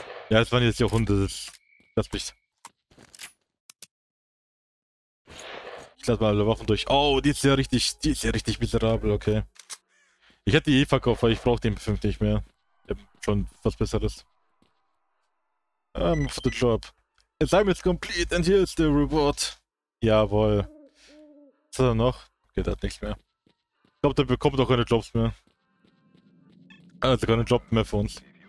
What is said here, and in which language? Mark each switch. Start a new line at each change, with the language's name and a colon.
German: Ja, es waren jetzt ja Hunde. Ich lass mal alle Waffen durch. Oh, die ist ja richtig miserabel, okay. Ich hätte die eh verkauft, weil ich brauche den 5 nicht mehr. Ich hab schon was Besseres.
English: For the job. Assignment is complete and here is the reward.
German: Jawohl. Was hat er noch? Okay, der hat nichts mehr. Ich glaube, der bekommt auch keine Jobs mehr. Also keine Job mehr für uns.